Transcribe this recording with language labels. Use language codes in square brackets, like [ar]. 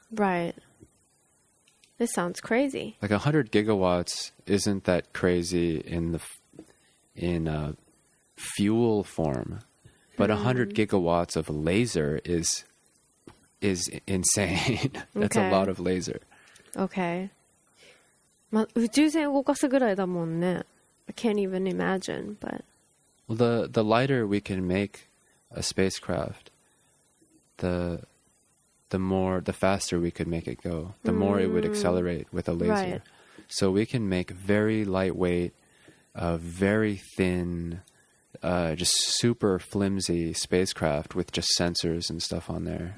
[en] Right. This sounds crazy. Like 100 gigawatts isn't that crazy in a fuel form, but 100 gigawatts of laser is insane. That's okay. A lot of laser. Okay. [ja] まあ、宇宙船動かすぐらいだもんね。 [en] I can't even imagine, but... Well, the lighter we can make a spacecraft, the faster we could make it go, the more it would accelerate with a laser. Right. So we can make very lightweight, very thin, just super flimsy spacecraft with just sensors and stuff on there.